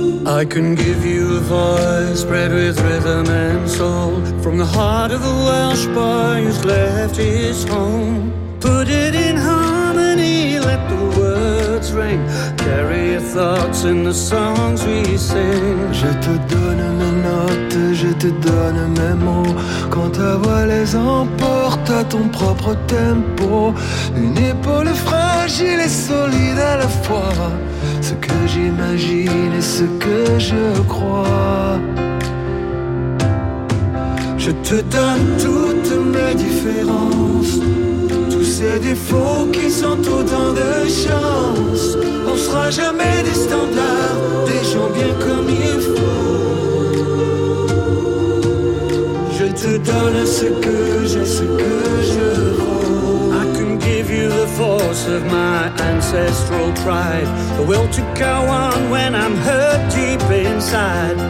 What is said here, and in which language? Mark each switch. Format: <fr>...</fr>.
<en>I can give you a voice bred with rhythm and soul. From the heart of a Welsh boy who's left his home. Put it in harmony, let the words ring. Carry your thoughts in the songs we sing.</en> <fr>Je te donne mes notes, je te donne mes mots. Quand ta voix les emporte à ton propre tempo. Une épaule fragile et solide à la fois. Ce que j'imagine et ce que je crois. Je te donne toutes mes différences. Tous ces défauts qui sont autant de chances. On sera jamais des standards, des gens bien comme il faut. Je te donne ce que j'ai, ce que je vaux.</fr> <en>I can give you the force of my ancestral pride. The will to go on when I'm hurt deep inside.</en>